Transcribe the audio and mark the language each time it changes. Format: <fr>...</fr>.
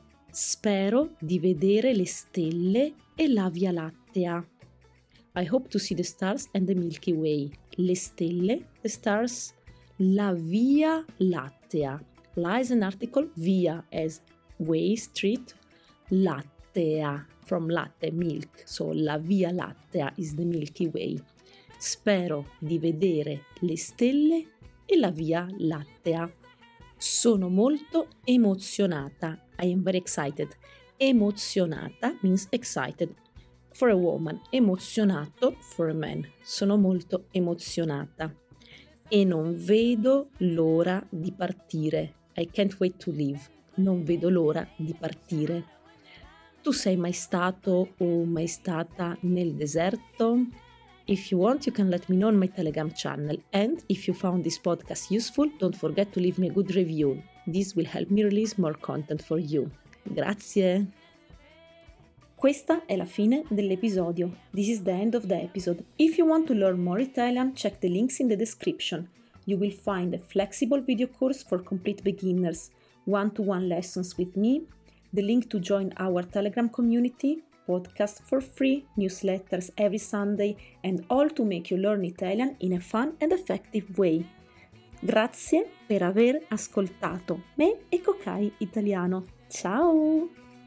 <it>Spero di vedere le stelle e la Via Lattea.</it> <en>I hope to see the stars and the Milky Way.</en> <it>Le stelle,</it> <en>the stars,</en> <it>la Via Lattea.</it> <en>La is an article, via as way, street, lattea, from latte, milk. So la Via Lattea is the Milky Way.</en> <it>Spero di vedere le stelle e la Via Lattea. Sono molto emozionata.</it> <en>I am very excited. Emozionata means excited for a woman. Emozionato for a man.</en> <it>Sono molto emozionata. E non vedo l'ora di partire.</it> <en>I can't wait to leave.</en> <it>Non vedo l'ora di partire. Tu sei mai stato o mai stata nel deserto?</it> <en>If you want, you can let me know on my Telegram channel. And if you found this podcast useful, don't forget to leave me a good review. This will help me release more content for you. Grazie!</en> <it>Questa è la fine dell'episodio.</it> <en>This is the end of the episode. If you want to learn more Italian, check the links in the description. You will find a flexible video course for complete beginners, one-to-one lessons with me, the link to join our Telegram community, podcast for free, newsletters every Sunday, and all to make you learn Italian in a fun and effective way.</en> <it>Grazie per aver ascoltato me e Cocai Italiano. Ciao!</it>